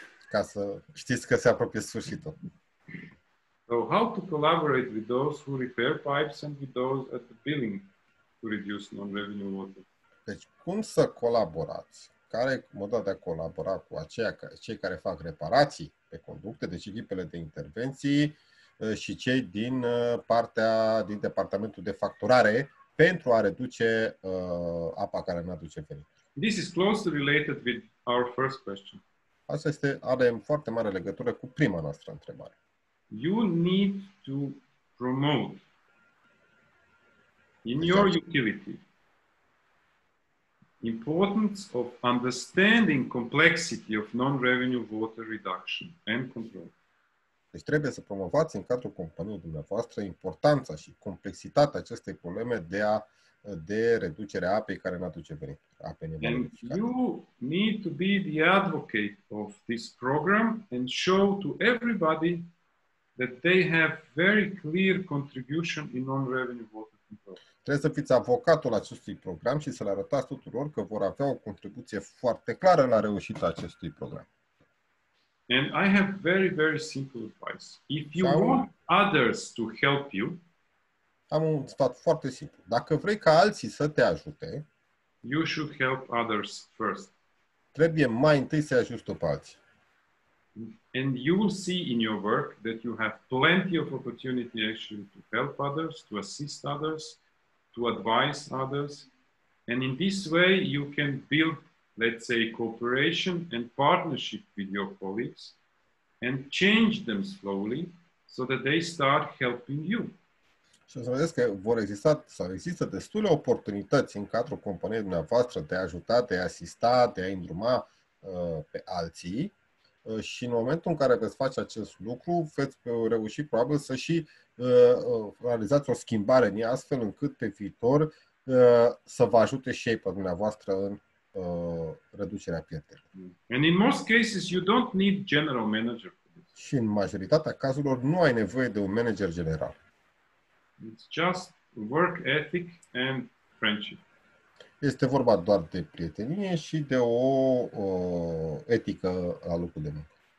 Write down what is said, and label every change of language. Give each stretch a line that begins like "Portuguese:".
Romanian: Ca să știți că se apropie sfârșitul.
English: So how to collaborate with those who repair pipes and with those at the billing to reduce non-revenue water?
Romanian: Deci cum să colaborați? Care e modul de a colabora cu cei care fac reparații pe conducte, deci echipele de intervenții și cei din departamentul de facturare pentru a reduce apa care ne aduce venit?
English: This is closely related with our first question.
Romanian: Asta este are foarte mare legătură cu prima noastră întrebare.
English: You need to promote in your utility importance of understanding complexity of non-revenue water reduction and control.
Romanian: Deci trebuie să promovați în cadrul companiei dumneavoastră importanța și complexitatea acestei probleme de reducere a apei care n-aduce venit.
English: And you need to be the advocate of this program and show to everybody that they have very clear contribution in non-revenue water control.
Romanian: Trebuie să fiți avocatul acestui program și să le arătați tuturor că vor avea o contribuție foarte clară la reușita acestui program.
English: And I have very, very simple advice. If you want others to help you,
Romanian: am un sfat foarte simplu. Dacă vrei ca alții să te ajute,
English: you should help others first.
Romanian: Trebuie mai întâi să-i ajuți pe alții.
English: And you will see in your work that you have plenty of opportunity actually to help others, to assist others, to advise others, and in this way you can build, let's say, cooperation and partnership with your colleagues and change them slowly so that they start helping you.
Romanian: Și o să vedeți că vor exista sau există destule oportunități în cadrul companiei dumneavoastră de a ajuta, de a asista, de a îndruma pe alții. Și în momentul în care veți face acest lucru, veți reuși probabil să și realizați o schimbare în ea, astfel încât pe viitor să vă ajute Shape dumneavoastră în reducerea pierderilor.
English: And in most cases you don't need general manager.
Romanian: Și în majoritatea cazurilor nu ai nevoie de un manager general.
English: It's just work ethic and friendship.
Romanian: Este vorba doar de prietenie și de o etică la locul de muncă.